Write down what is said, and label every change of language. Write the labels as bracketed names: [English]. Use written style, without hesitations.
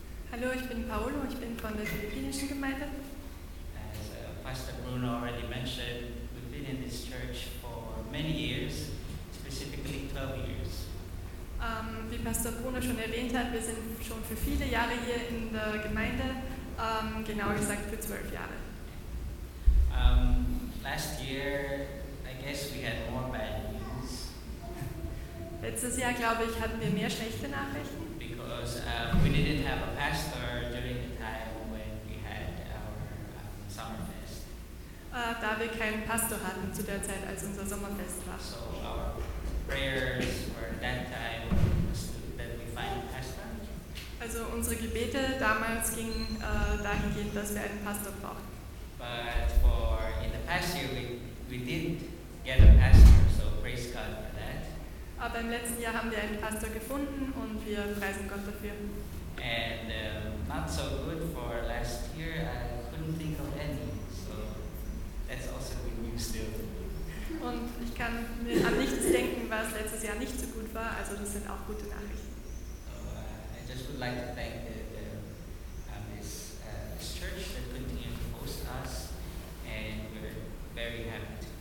[German] Hallo, ich bin Paolo, ich bin von der philippinischen Gemeinde. [English] As Pastor Bruno already mentioned, we've been in this church for many years, specifically 12 years. [German] Wie Pastor Bruno schon erwähnt hat, wir sind schon für viele Jahre hier in der Gemeinde, genauer gesagt für 12 Jahre. [English] Last year, I guess we had more bad news. [German] Letztes Jahr, glaube ich, hatten wir mehr schlechte Nachrichten. [English] We didn't have a pastor during the time when we had our summer fest. [German] Da wir keinen Pastor hatten zu der Zeit, als unser Sommerfest war. [English] So our prayers were that time that we find a pastor. [German] Also unsere Gebete damals gingen dahingehend, dass wir einen Pastor brauchten. [English] But for in the past year we did get a pastor, so praise God for that. [German] Aber im letzten Jahr haben wir einen Pastor gefunden und wir preisen Gott dafür. [English] And not so good for last year, I couldn't think of any, so that's also good news still. [German] Und ich kann mir an nichts denken, was letztes Jahr nicht so gut war, also das sind auch gute Nachrichten. [English] So, I just would like to thank this church that continues to host us, and we're very happy.